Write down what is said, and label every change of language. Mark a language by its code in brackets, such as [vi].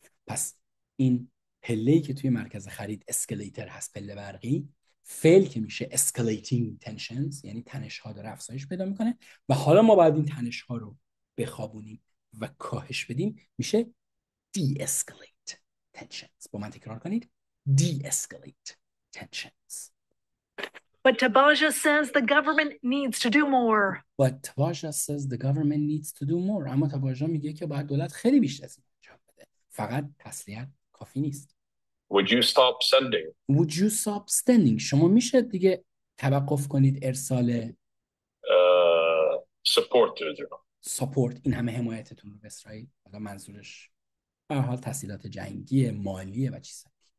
[fa] پس این پله‌ای که توی مرکز خرید اسکلیتر هست، پله برقی، فعل که میشه [en] escalating tensions [fa] یعنی تنش ها داره افزایش پیدا میکنه و حالا ما باید این تنش ها رو بخوابونیم و کاهش بدیم، میشه [en] de-escalate tensions. [fa] با من تکرار کنید [en] de-escalate tensions. But Tabaja says the government needs to do more. But Tabaja says the government needs to do more. [fa] اما Tabaja میگه که باید دولت خیلی بیشتر از این انجام بده. فقط تسلیت کافی نیست. [en] Would you stop sending? Would you stop sending? [fa] شما میشه دیگه توقف کنید ارسال [en] support to Israel. [fa] Support، این همه حمایتتون رو به اسرائیل. حالا منظورش به هر حال تسهیلات جنگی، مالیه و چیزا.